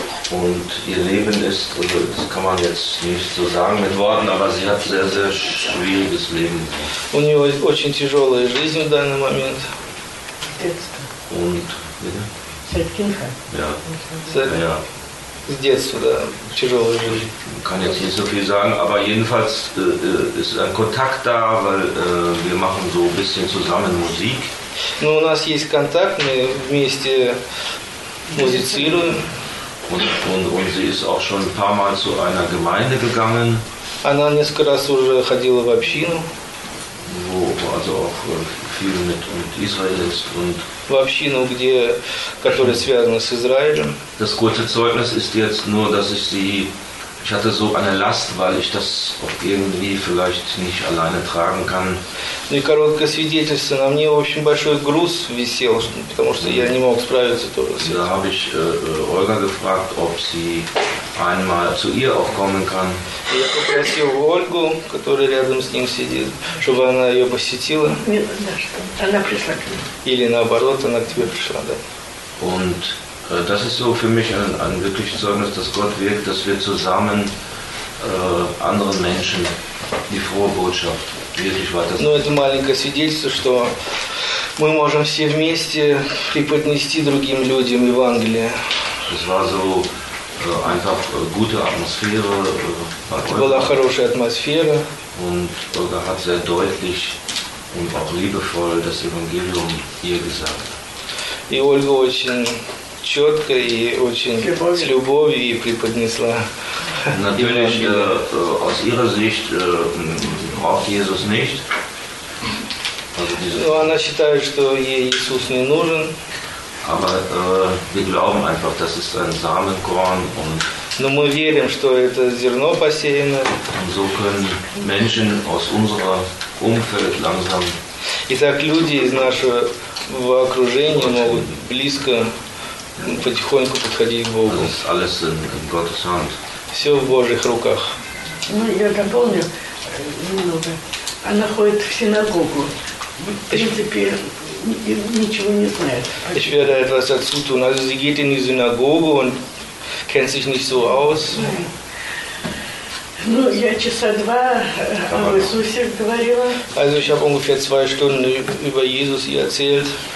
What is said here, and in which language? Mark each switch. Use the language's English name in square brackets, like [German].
[German] Und ihr Leben ist, also das kann man jetzt nicht so sagen mit Worten, aber sie hat sehr, sehr schwieriges Leben. [Russian] У нее очень тяжелая жизнь в данный момент. [German] Und seit Kindheit. Ja. Seit jetzt oder [Russian] тяжелая жизнь. [German] Ich kann jetzt nicht so viel sagen, aber jedenfalls ist ein Kontakt da, weil wir machen so ein bisschen zusammen Musik. [Russian] Ну, у нас есть контакт, мы вместе музицируем. [German] Und sie ist auch schon ein paar Mal zu einer Gemeinde gegangen. [Russian] Она несколько раз уже ходила в общину. [German] Wo also auch viel mit und Israel ist und [Russian] в общину, где, которая связана с Израилем. [German] Das kurze Zeugnis ist jetzt nur, dass ich sie ich hatte so eine Last, weil ich das irgendwie vielleicht nicht alleine tragen kann. [Russian] И короткое свидетельство, на мне очень большой груз висел, потому что я не мог справиться тоже с этим. [German] Da habe ich Olga gefragt, ob sie einmal zu ihr auch kommen kann. [Russian] Я попросил Ольгу, которая рядом с ним сидит, чтобы она ее посетила. Она пришла к ней. Или наоборот, она к тебе пришла, да. [German] Und das ist so für mich ein wirkliches Zeugnis, dass Gott wirkt, dass wir zusammen anderen Menschen die frohe Botschaft wirklich weitersagen. [Russian] Ну, это маленькое свидетельство, что мы можем все вместе преподнести другим людям Евангелие. [German] Es war so einfach gute Atmosphäre. [Russian] Была хорошая атмосфера. [German] Und Olga hat sehr deutlich und auch liebevoll das Evangelium ihr gesagt. [Russian] И Ольга очень четко и очень с любовью и преподнесла. [German] Natürlich, aus ihrer Sicht braucht Jesus nicht. [Russian] Но она считает, что ей Иисус не нужен. [German] Aber wir glauben einfach, das ist ein Samenkorn und. [Russian] Но мы верим, что это зерно посеяно. [German] Und so können Menschen aus unserer Umfeld langsam. [Russian] И так люди из нашего окружения могут близко потихоньку подходить к Богу. [German] Alles in Gottes Hand. [Russian] Все в Божьих руках. Ну, я дополню немного. Она ходит в синагогу. В принципе, ничего не знает. [German] Ich werde etwas dazu tun. Also, sie geht in die Synagoge und kennt sich nicht so aus. [Russian] Ну, я часа два об Иисусе говорила. [German] Also, ich habe ungefähr zwei Stunden über Jesus ihr erzählt.